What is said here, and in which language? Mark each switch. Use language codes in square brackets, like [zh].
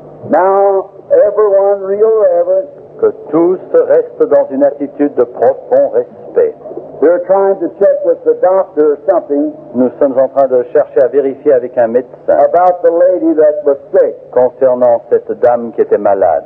[en] Now, everyone, real reverence. [fr] Que tous restent dans une attitude de profond respect. [en] They're trying to check with the doctor or something. [fr] Nous sommes en train de chercher à vérifier avec un médecin. [en] About the lady that was sick. [fr] Concernant cette dame qui était malade.